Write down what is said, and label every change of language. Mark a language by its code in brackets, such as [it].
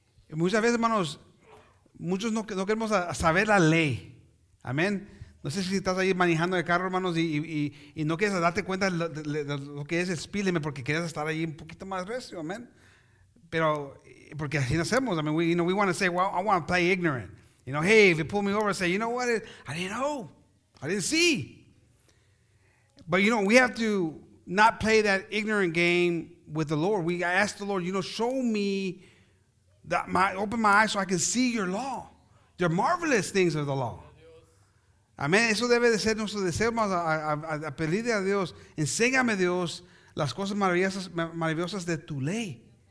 [es] Muchas veces, hermanos, muchos no queremos saber la ley. Amén. No sé si estás ahí manejando el carro, hermanos, y no quieres darte cuenta de lo que es el speed limit porque quieres estar ahí un poquito más recio, amén. Pero porque así no hacemos. [en] I mean, we want to say, well, I want to play ignorant. You know, hey, if you pull me over, say, you know what? I didn't know. I didn't see. But you know, we have to not play that ignorant game with the Lord. We ask the Lord, you know, show me that open my eyes so I can see your law. They're marvelous things of the law. Amén. [es] Eso debe de ser nuestro deseo, hermanos, a pedirle a Dios, enséñame, Dios, las cosas maravillosas de tu ley.